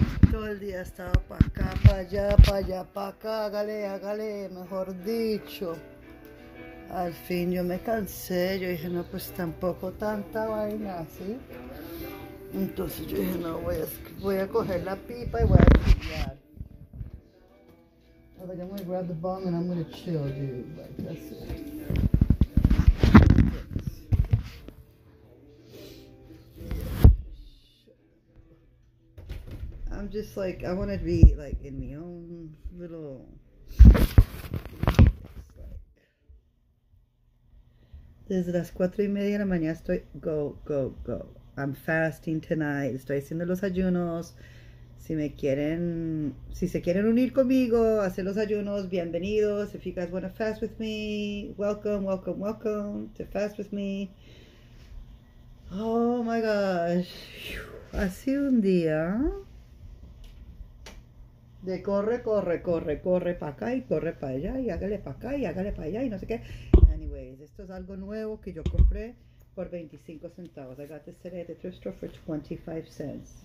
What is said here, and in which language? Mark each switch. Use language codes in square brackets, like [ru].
[es] Todo el día estaba pa' acá, pa' allá, pa' allá, pa' acá. Hágale, hágale, mejor dicho. Al fin yo me cansé. Yo dije, no, pues tampoco tanta vaina, ¿sí? Entonces yo dije, no, voy a coger la pipa y voy a estudiar. [en] I'm like, I'm gonna grab the bomb and I'm gonna chill, dude. Like, that's it. I'm just like, I wanna be like in my own little. [es] Desde las 4:30 de la mañana estoy [en] go, go, go. I'm fasting tonight. [es] Estoy haciendo los ayunos. Si se quieren unir conmigo, hacer los ayunos, bienvenidos. [en] If you guys want to fast with me, welcome, welcome, welcome to fast with me. Oh my gosh. [es] Ha sido un día de corre, corre, corre, corre para acá y corre para allá y hágale para acá y hágale para allá y no sé qué. Anyways, esto es algo nuevo que yo compré por 25 centavos. [en] I got this today at the thrift store for 25 cents.